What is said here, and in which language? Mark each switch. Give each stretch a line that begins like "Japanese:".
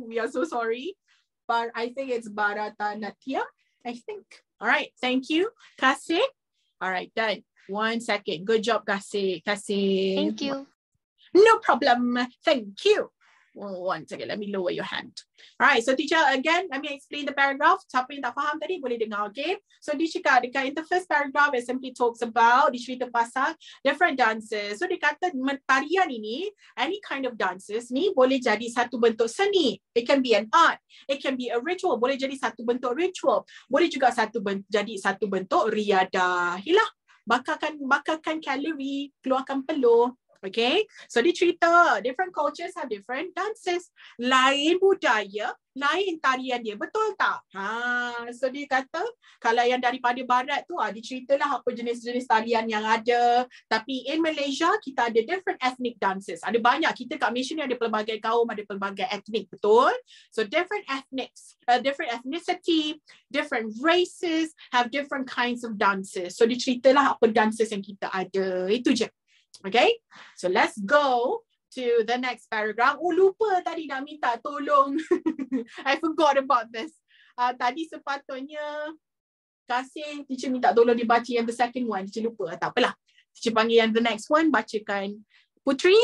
English: We are so sorry. But I think it's Bharatanatyam, I think. All right, thank you. Kasih. All right, done. One second. Good job, Kasih. Kasih. Thank you. No problem. Thank you. One second, let me lower your hand. Alright, so teacher, again, let me explain the paragraph.
Malay: Siapa yang tak faham tadi, boleh dengar, okay?
English: So,
Malay: di cakap, dekat
English: in the first paragraph, it simply talks about,
Malay: di cerita pasal
English: different dances. So,
Malay: dia kata, tarian ini,
English: any kind of dances ni,
Malay: boleh jadi satu bentuk seni.
English: It can be an art. It can be a ritual.
Malay: Boleh jadi satu bentuk ritual. Boleh juga jadi satu bentuk riadah. Yalah, bakarkan kalori, keluarkan peluh.
English: Okay, so
Malay: dia cerita
English: different cultures have different dances.
Malay: Lain budaya, lain tarian dia, betul tak? Ha, so dia kata kalau yang daripada barat tu, dia ceritalah apa jenis-jenis tarian yang ada. Tapi in Malaysia, kita ada
English: different ethnic dances.
Malay: Ada banyak, kita kat Malaysia ni ada pelbagai kaum, ada pelbagai ethnic, betul?
English: So different ethnics, different ethnicity, different races have different kinds of dances.
Malay: So dia ceritalah apa dances yang kita ada, itu je.
English: Okay, so let's go to the next paragraph.
Malay: Oh, lupa tadi nak minta tolong.
English: I forgot about this.
Malay: Tadi sepatutnya Kasih, teacher minta tolong dibaca yang
English: the second one.
Malay: Teacher lupa, tak apalah. Teacher panggil yang the next one, bacakan Putri.